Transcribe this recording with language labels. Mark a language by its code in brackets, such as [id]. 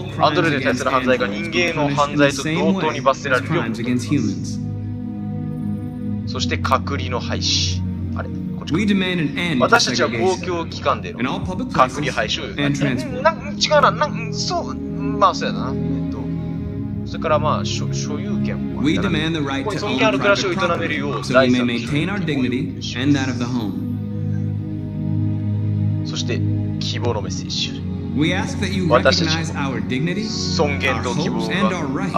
[ja] アンドロイドに対する犯罪が人間の犯罪と同等に罰せられるよう求めます。そして隔離の廃止。あれ、こっちか。私たちは公共機関での隔離廃止を言う。違うな、そう、まあそうやな。それからまあ、所有権 [en] を。We demand the right to own private property, so we maintain our dignity and that of the home. [ja] そして希望のメッセージ。 [en] We ask that you recognize our dignity, our hopes, and our rights.